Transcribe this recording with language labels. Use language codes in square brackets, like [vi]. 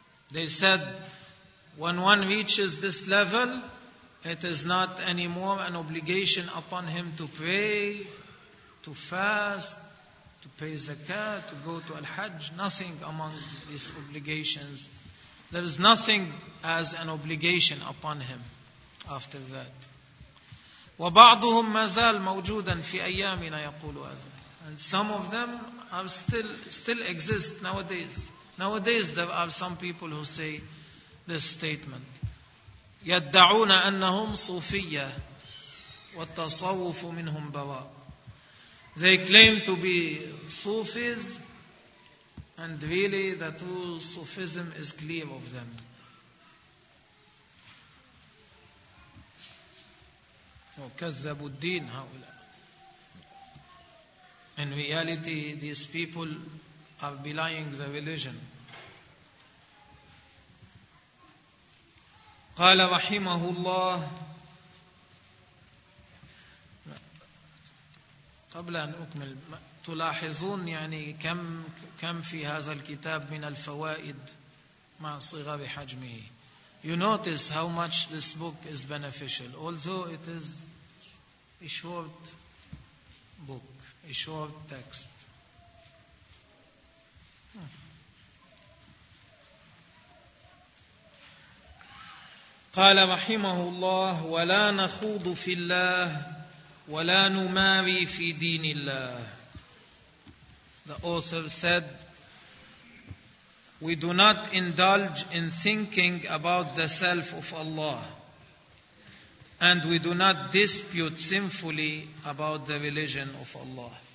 [en] They said, when one reaches this level, it is not anymore an obligation upon him to pray, to fast, to pay zakah, to go to al-hajj. Nothing among these obligations. There is nothing as an obligation upon him after that. [ar] وبعضهم ما زال موجودا في أيامنا يقول هذا. [en] And some of them are still exist nowadays. Nowadays there are some people who say this statement. [ar] يدعون أنهم صوفية والتصوف منهم براء. [en] They claim to be Sufis and really the true Sufism is clear of them. [ar] كذبوا الدين هؤلاء. [en] In reality, these people are belying the religion. [ar] قال رحمه الله قبل أن أكمل تلاحظون يعني كم في هذا الكتاب من الفوائد مع صغر حجمه. [en] You notice how much this book is beneficial, although it is a short book, a short text. [ar] قال رحمه الله ولا نخوض في الله ولا نماري في دين الله. [en] The author said, we do not indulge in thinking about the self of Allah, and we do not dispute sinfully about the religion of Allah.